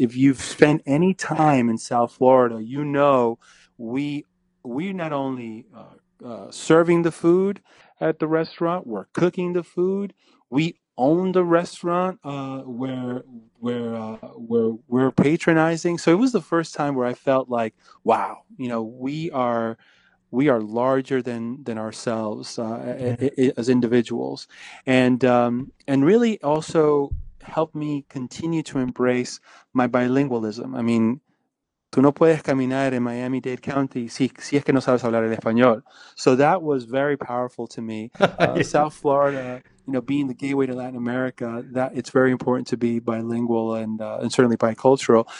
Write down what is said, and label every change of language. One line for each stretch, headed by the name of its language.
English: If you've spent any time in South Florida, you know we not only serving the food at the restaurant, we're cooking the food, we own the restaurant where we're patronizing. So it was the first time where I felt like, wow, you know, we are larger than ourselves as individuals, and really also helped me continue to embrace my bilingualism. I mean,
Spanish: tú no puedes caminar en Miami-Dade County si es que no sabes hablar el español.
English: So that was very powerful to me. yeah. South Florida, you know, being the gateway to Latin America, that it's very important to be bilingual and certainly bicultural.